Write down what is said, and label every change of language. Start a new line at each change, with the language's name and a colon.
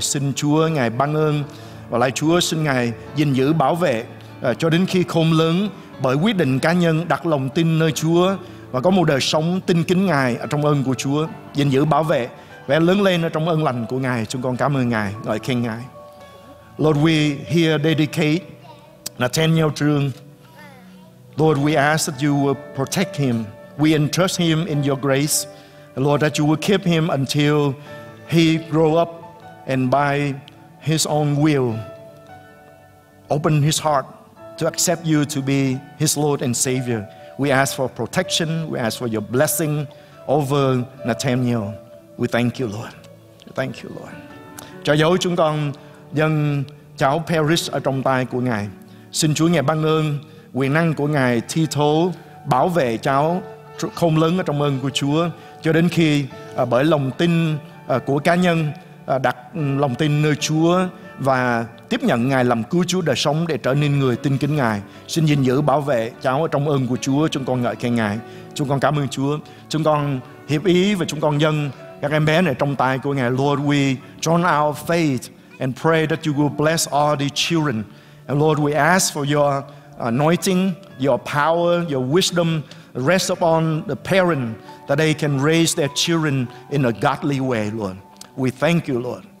Vietnamese: Xin Chúa ngài ban ơn, và lạy Chúa xin ngài gìn giữ bảo vệ cho đến khi khôn lớn, bởi quyết định cá nhân đặt lòng tin nơi Chúa và có một đời sống tin kính ngài ở trong ơn của Chúa, gìn giữ bảo vệ và lớn lên ở trong ơn lành của ngài. Chúng con cảm ơn ngài, ngợi khen ngài.
English: Lord, we here dedicate Nathaniel Trương. Lord, we ask that you will protect him. We entrust him in your grace. Lord, that you will keep him until he grow up and by his own will open his heart to accept you to be his Lord and Savior. We ask for protection. We ask for your blessing over Nathaniel. We thank you, Lord. Thank you, Lord.
Vietnamese: Cha dấu chúng con dâng cháu Paris ở trong tay của ngài. Xin Chúa ngài ban ơn quyền năng của ngài thi thố bảo vệ cháu khôn lớn ở trong ơn của Chúa cho đến khi bởi lòng tin của cá nhân, đặt lòng tin nơi Chúa và tiếp nhận Ngài làm cứu Chúa đời sống để trở nên người tin kính Ngài. Xin gìn giữ bảo vệ cháu ở trong ơn của Chúa. Chúng con ngợi khen Ngài. Chúng con cảm ơn Chúa. Chúng con hiệp ý và chúng con dâng các em bé này trong tay của Ngài.
English: Lord, we join our faith and pray that you will bless all the children. And Lord, we ask for your anointing, your power, your wisdom rest upon the parent that they can raise their children in a godly way, Lord. We thank you, Lord.